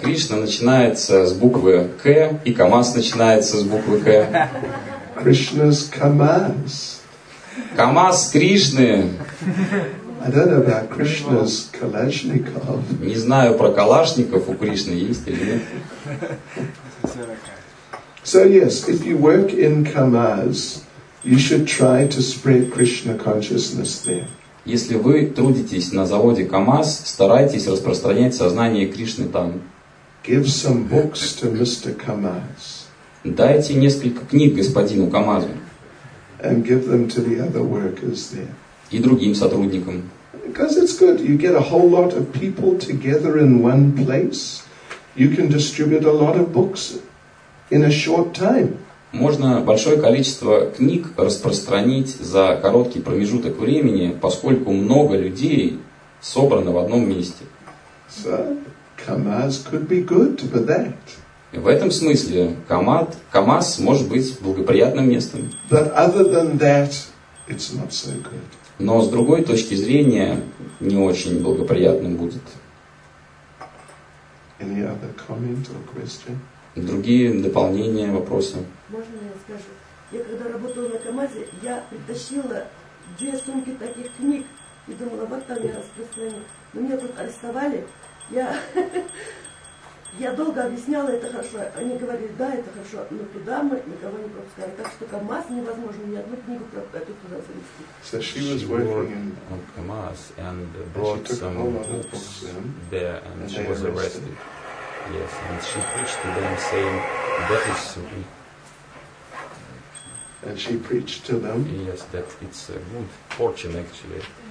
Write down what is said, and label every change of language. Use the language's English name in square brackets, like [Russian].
[Russian] Кришна начинается с буквы К, и Камаз начинается с буквы К. [English] Krishna's Kamaz. [Russian] Камаз Кришны. [English] I don't know about Krishna's Kalashnikov. [Russian] Не знаю про Калашников у Кришны есть или нет. [English] So yes, if you work in Kamaz, you should try to spread Krishna consciousness there. [Russian] Если вы трудитесь на заводе Камаз, старайтесь распространять сознание Кришны там. [English] Give some books to Mr. Kamaz. [Russian] Дайте несколько книг господину Камазу. [English] And give them to the other workers there. [Russian] И другим сотрудникам. [English] Because it's good. You get a whole lot of people together in one place. You can distribute a lot of books in a short time. [Russian] Можно большое количество книг распространить за короткий промежуток времени, поскольку много людей собрано в одном месте. [English] So, КамАЗ could be good for that. [Russian] В этом смысле КамАЗ может быть благоприятным местом. [English] But other than that, it's not so good. [Russian] Но с другой точки зрения, не очень благоприятным будет. [English] Any other comment or question? [Russian] Другие дополнения, вопросы? Можно я скажу? Я когда работала на КамАЗе, я притащила две сумки таких книг и думала, вот там я распространю. Но меня тут арестовали. Я долго объясняла, это хорошо. Они говорили, да, это хорошо, но туда мы никого не пропускали. Так что КамАЗ невозможно, ни одну книгу эту туда завести. [English] So she was working on КамАЗ and brought some books there and she was arrested. Yes, and she preached to them saying, that is... And she preached to them? Yes, that it's a good fortune, actually.